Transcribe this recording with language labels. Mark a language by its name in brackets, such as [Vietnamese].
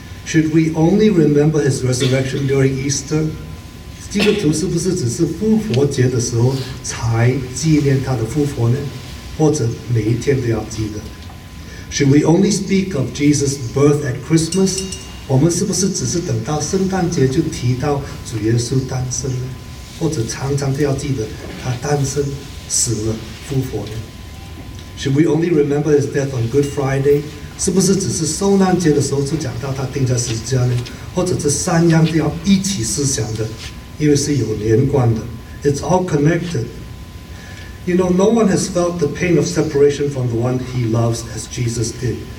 [English] Should we only remember his resurrection during Easter? [Chinese] 基督徒是不是只是复活节的时候才纪念他的复活呢？或者每一天都要记得？ [English] Should we only speak of Jesus' birth at Christmas? [Chinese] 我们是不是只是等到圣诞节就提到主耶稣诞生呢？或者常常都要记得他诞生、死了、复活呢？ [English] Should we only remember his death on Good Friday? [Chinese] 是不是只是受难节的时候就讲到他钉在十字架呢？或者这三样都要一起思想的，因为是有连贯的。 [English] It's all connected. You know, no one has felt the pain of separation from the one he loves as Jesus did.